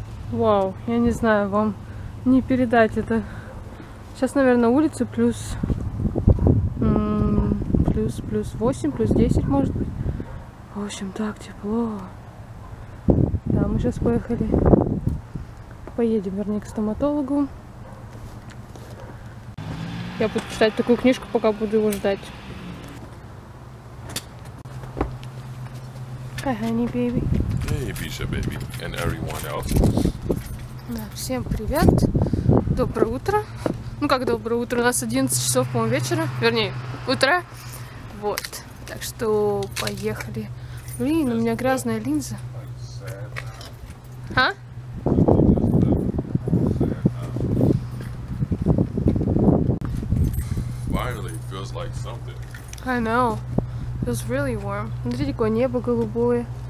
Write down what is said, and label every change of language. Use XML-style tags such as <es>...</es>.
<ru>Вау, я не знаю, вам не передать это. Сейчас, наверное, улицу плюс 8, плюс 10, может быть. В общем, так тепло. Да, мы сейчас поехали. Поедем, вернее, к стоматологу. Я буду читать такую книжку, пока буду его ждать.</ru> <en>Hi, honey, baby. Hey, Bisha, baby, and everyone else.</en> <ru>Да, всем привет, доброе утро. Ну как доброе утро, у нас 11 часов, по-моему, вечера, вернее, утро. Вот, так что поехали. Блин, у меня грязная линза. А?</ru> <en>Finally, it feels like something. I know, it feels really warm.</en> <ru>Смотрите, какое небо голубое.</ru>